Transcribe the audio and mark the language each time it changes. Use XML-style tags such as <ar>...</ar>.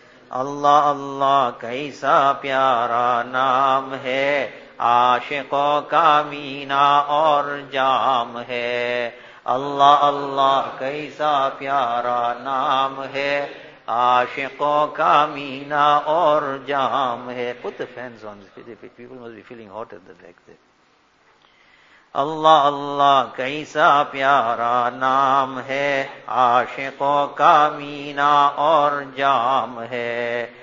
<ur>اللہ اللہ کیسا پیارا نام ہے عاشقوں کا مینا اور جام ہے. اللہ اللہ کیسا پیارا نام ہے عاشقوں کا مینا اور جام ہے.</ur> <en>Put the fans on, people must be feeling hot at the back there.</en> <ur>اللہ اللہ کیسا پیارا نام ہے عاشقوں کا مینا اور جام ہے.</ur>